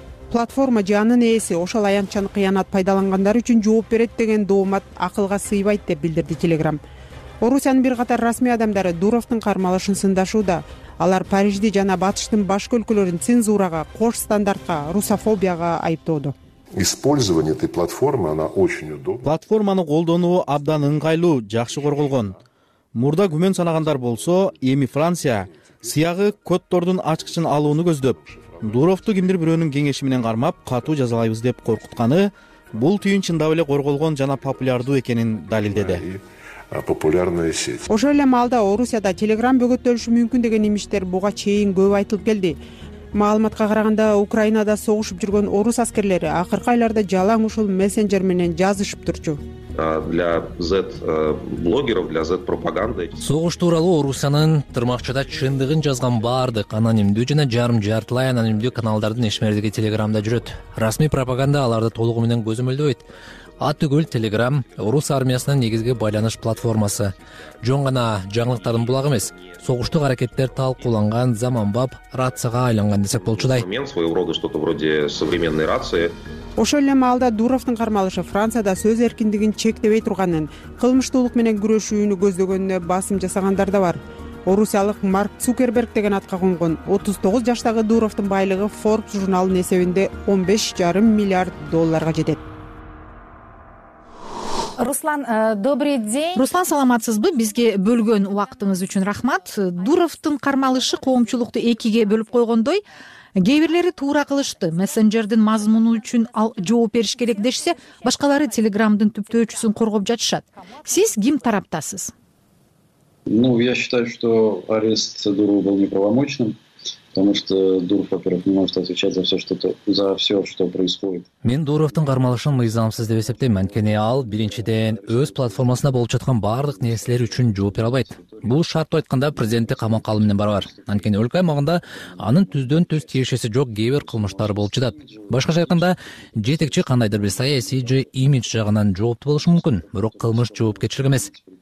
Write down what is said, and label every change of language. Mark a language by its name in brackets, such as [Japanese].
[Kyrgyz] Платформа же анын ээси ошол аянтчан кыянат пайдалангандар үчүн жооп берет деген доомат акылга сыйбайт деп билдирди Telegram. Орусиянын бир катар расмий адамдары Дуровтун кармалышын сындашууда. Алар Парижди жана Батыштын башка өлкөлөрүн цензурага, кош стандартка, русофобияга айыптоодо. [Russian] Использование этой платформы, она очень удобна. [Kyrgyz] Платформаны колдонуу абдан ыңгайлуу, жакшы корголгон. Мурда күмөн санагандар болсо, эми Франция сыягы коддордун ачкычын алууну көздөп, Дуровту кимдир бирөөнүн кеңеши менен кармап, катуу жазалайбыз деп коркутканы, бул түйүн чындап эле корголгон жана популярдуу экенин далилдеди. [Russian] Популярная сеть. [Kyrgyz] Ошол эле маалда Орусияда Telegram бөгөттөлүшү мүмкүн деген имиштер буга чейин көп айтылып келди. Маалыматка караганда, Украинада согушуп жүргөн орус аскерлери акыркы айларда жалаң ушул мессенджер менен жазышып турчу. [Russian] Для Z-блогеров, для Z-пропаганды. [Kyrgyz] Согуш тууралуу Орусиянын тырмакчада чындыгын жазган баардык анонимдүү жана жарым жартылай анонимдүү каналдардын ишмердиги Telegramда жүрөт. Расмий пропаганда аларды толугу менен көзөмөлдөбөйт. Атүгүл Telegram орус армиясынын негизги байланыш платформасы. Жөн гана жаңылыктардын булагы эмес, согуштук аракеттер талкууланган заманбап рацияга айланган десек болчудай. [Russian] Своего рода что-то вроде современной рации. [Kyrgyz] Ошол эле маалда Дуровтун кармалышы Францияда сөз эркиндигин чектебей турганын, кылмыштуулук менен күрөшүүнү көздөгөнүнө басым жасагандар да бар. Орусиялык Марк Цукерберг деген атка конгон 39 жаштагы Дуровтун байлыгы Forbes журналынын эсебинде 15.5 миллиард долларга жетет. [Russian] Руслан, добрый день. [Kyrgyz] Руслан, саламатсызбы? Бизге бөлгөн убактыңыз үчүн рахмат. Дуровтун кармалышы коомчулукту экиге бөлүп койгондой, кээ бирлери туура кылышты. Мессенджердин мазмуну үчүн ал жооп бериш керек дешсе, башкалары Telegramдын түптөөчүсүн коргоп жатышат. Сиз ким тараптасыз? [Russian] Я считаю, что арест Дурова был неправомочным. Потому что Дуров, во-первых, не может отвечать за все, что происходит. [Kyrgyz] Мен Дуровтун кармалышын мыйзамсыз деп эсептейм, анткени ал биринчиден өз платформасында болуп жаткан бардык нерселер үчүн жооп бере албайт. Бул шартты айтканда президентти камакка алуу менен барабар. Анткени өлкө аймагында анын түздөн түз тиешеси жок кээбир кылмыштар болуп жатат. Башкача айтканда, жетекчи кандайдыр бир саясий же имидж жагынан жоопту болушу мүмкүн, бирок кылмыш жоопкерчилик эмес.